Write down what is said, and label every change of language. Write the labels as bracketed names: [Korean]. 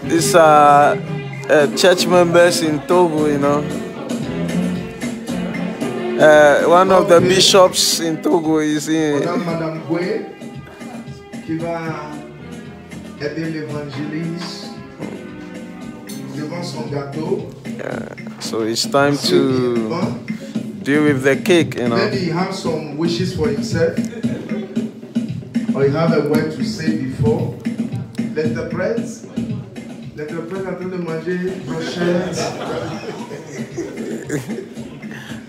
[English] These are church members in Togo, you know. One of the bishops in Togo, you see. [French] Madame Gwe, qui va aider l'évangéliste devant son gâteau. [English] Yeah. So it's time to deal with the cake, you know. Maybe he has some wishes for himself. or you have a word to say before, let the prince. Let the prince attend the manger, brochette.